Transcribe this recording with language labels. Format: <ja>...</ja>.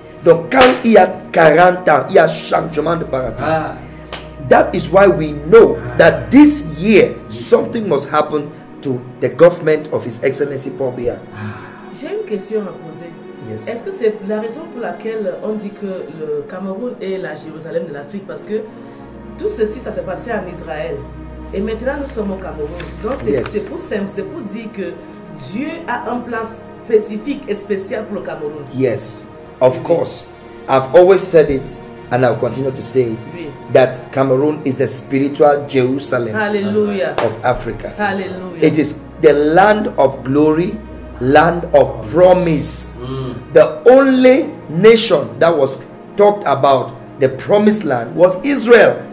<fr>Donc, quand il y a 40 ans, il y a changement de paradigme.</fr> <en>That is why we know that this year, something must happen to the government of His Excellency Paul Biya.</en> <fr>J'ai une question à poser.</fr> <en>Yes.</en> <fr>Est-ce que c'est la raison pour laquelle on dit que le Cameroun est la Jérusalem de l'Afrique? Parce que tout ceci, ça s'est passé en Israël. Et maintenant, nous sommes au Cameroun. Donc, c'est pour simple. C'est pour dire que Dieu a un plan spécifique et spécial pour le Cameroun.</fr> <en>Yes. Of course, I've always said it, and I'll continue to say it, that Cameroon is the spiritual Jerusalem. Hallelujah. Of Africa. Hallelujah. It is the land of glory, land of promise. The only nation that was talked about the promised land was Israel.</en>